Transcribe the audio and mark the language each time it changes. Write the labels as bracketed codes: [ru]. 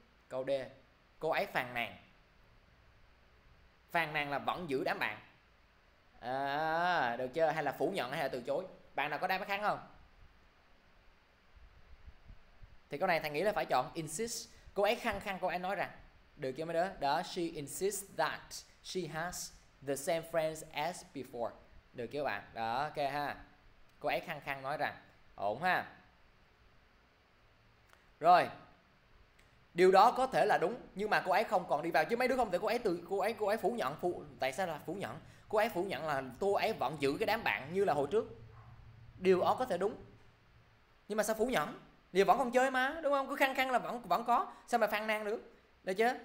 [vi] Câu D. Cô ấy phàn nàn. Phàn nàn là vẫn giữ đám bạn. À, được chưa? Hay là phủ nhận hay là từ chối. Bạn nào có đáp án khác không? Thì câu này thầy nghĩ là phải chọn insist. Cô ấy khăng khăng, cô ấy nói rằng, được chưa mấy đứa? [en] Đó, she insists that she has the same friends as before, [vi] được chưa bạn? Đó, ok ha. Cô ấy khăng khăng nói rằng, ổn ha. Rồi, điều đó có thể là đúng, nhưng mà cô ấy không còn đi vào. Chứ mấy đứa không thể cô ấy phủ nhận. Tại sao là phủ nhận? Cô ấy phủ nhận là cô ấy vẫn giữ cái đám bạn như là hồi trước. Điều đó có thể đúng, nhưng mà sao phủ nhận? Thì vẫn còn chơi mà, đúng không? Cứ khăng khăng là vẫn vẫn có, sao mà phàn nàn được? Được chứ?